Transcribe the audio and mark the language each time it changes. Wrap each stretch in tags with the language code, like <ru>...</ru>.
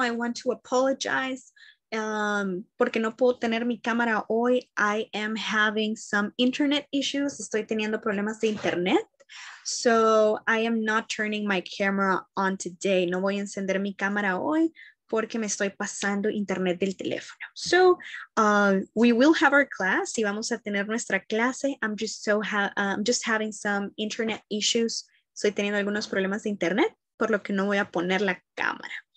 <en>I want to apologize</en> <es>porque no puedo tener mi cámara hoy.</es> <en>I am having some internet issues.</en> <es>Estoy teniendo problemas de internet.</es> <en>So, I am not turning my camera on today.</en> <es>No voy a encender mi cámara hoy, porque me estoy pasando internet del teléfono.</es> <en>So, we will have our class</en> <es>y vamos a tener nuestra clase.</es> <en>I'm just having some internet issues.</en> <es>Estoy teniendo algunos problemas de internet, por lo que no voy a poner la cámara.</es>